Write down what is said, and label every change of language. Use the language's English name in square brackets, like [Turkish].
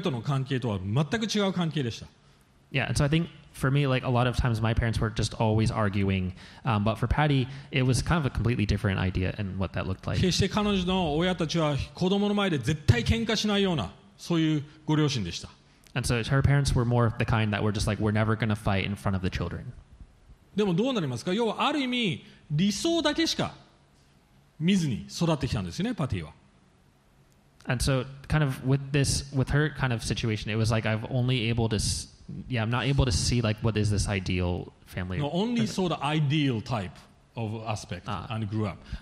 [Japanese] 例えば僕の家庭はボロボロでした。うちの親は喧嘩しばっかりしてました。だからそういう影響がありましたけども、例えばパティの両親は全く僕の親との関係とは全く違う関係でした。Yeah, [English] and so I think for me, like a lot of times my parents were just always arguing. But for Patty, it was kind of a completely different idea and what that looked like. [Japanese] 決して彼女の親たちは子供の前で絶対喧嘩しないような、そういうご両親でした。 [English] And so her parents were more of the kind that were just like, we're never going to fight in front of the children. [Japanese] でもどうなりますか。要はある意味理想だけしか見ずに育ってきたんですよね、パティは。 [English] And so kind of with this, with her kind of situation, it was like I've only able to, yeah, I'm not able to see like what is this ideal family. No, only saw the ideal type of aspect and grew up.